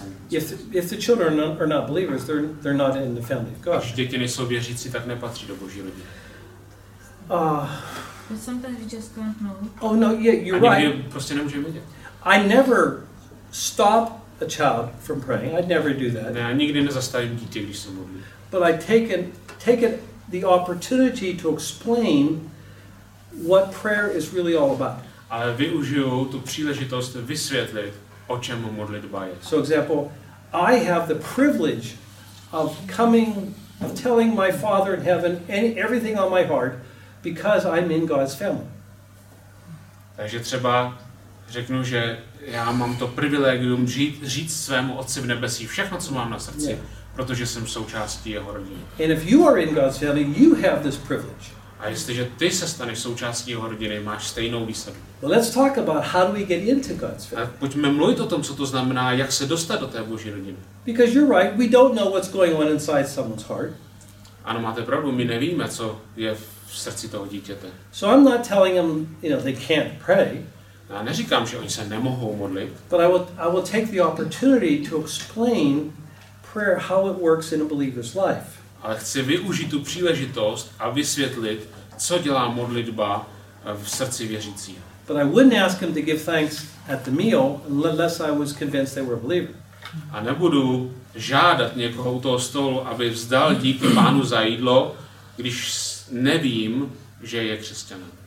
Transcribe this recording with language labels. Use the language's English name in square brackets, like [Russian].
[English] If the children are not believers, they're not in the family of God. [Czech] Když děti nejsou věřící, tak nepatří do Boží rodiny. [English] But sometimes we just can't know. Oh no, yeah, you're a right. [Czech] Prostě nemůžeme vědět. [English] I never stop a child from praying. I'd never do that. [Czech] Ne, nikdy nezastavím dítě, když se modlí. [English] But I take it the opportunity to explain what prayer is really all about. [Czech] Ale využiju tu příležitost vysvětlit, o čem modlitba je. [English] So example, I have the privilege of coming, of telling my Father in heaven everything on my heart because I'm in God's family. [Czech] Takže třeba řeknu, že já mám to privilegium říct svému Otci v nebesí všechno, co mám na srdci, yeah, protože jsem součástí jeho rodiny. [English] And if you are in God's family, you have this privilege. [Czech] A jestliže ty se staneš součástí jeho rodiny, máš stejnou výsadu. [English] Well, let's talk about how do we get into God's family. [Czech] Tak pojďme mluvit o tom, co to znamená, jak se dostat do té Boží rodiny. [English] Because you're right, we don't know what's going on inside someone's heart. [Czech] Ano, máte pravdu, my nevíme, co je v srdci toho dítěte. [English] So I'm not telling them, you know, they can't pray. [Czech] Já neříkám, že oni se nemohou modlit. [English] But I will take the opportunity to explain prayer, how it works in a believer's life. [Czech] Ale chci využít tu příležitost a vysvětlit, co dělá modlitba v srdci věřícího. [English] But I wouldn't ask him to give thanks at the meal unless I was convinced they were a believer. [Czech] A nebudu žádat někoho u toho stolu, aby vzdal díky Pánu za jídlo, když nevím, že je křesťan.